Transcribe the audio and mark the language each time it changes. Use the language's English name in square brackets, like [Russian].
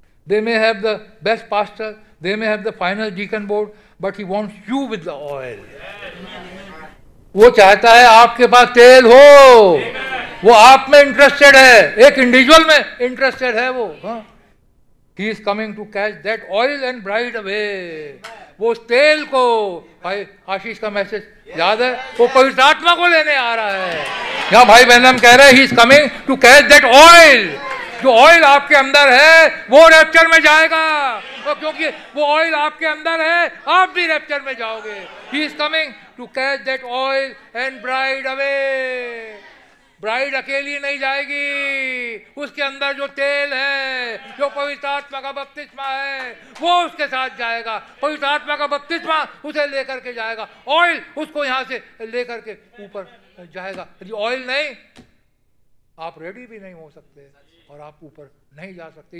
[English] They may have the best pastor, they may have the final deacon board, but he wants you with the oil. [Hindi] वो चाहता है आपके पास तेल हो. [English] Amen. [Hindi] वो आप में इंटरेस्टेड है, एक इंडिविजुअल में इंटरेस्टेड है वो. [English] He is coming to catch that oil and bride away. [Hindi] वो उस तेल को, भाई आशीष का मैसेज याद है, वो पवित्र आत्मा को लेने आ रहा है. यहाँ भाई बहनम कह रहे हैं, [English] He is coming to catch that oil. [Hindi] जो ऑयल आपके अंदर है वो रैप्चर में जाएगा, और क्योंकि वो ऑयल आपके अंदर है आप भी रैप्चर में जाओगे. [English] He is coming to catch that oil and bride away. [Hindi] Bride अकेली नहीं जाएगी, उसके अंदर जो तेल है, जो पवित्र आत्मा का बपतिस्मा है, वो उसके साथ जाएगा. पवित्र आत्मा का बपतिस्मा उसे लेकर के जाएगा, ऑयल उसको यहाँ से लेकर के ऊपर जाएगा. ऑयल नहीं, आप रेडी भी नहीं हो सकते और आप ऊपर नहीं जा सकते.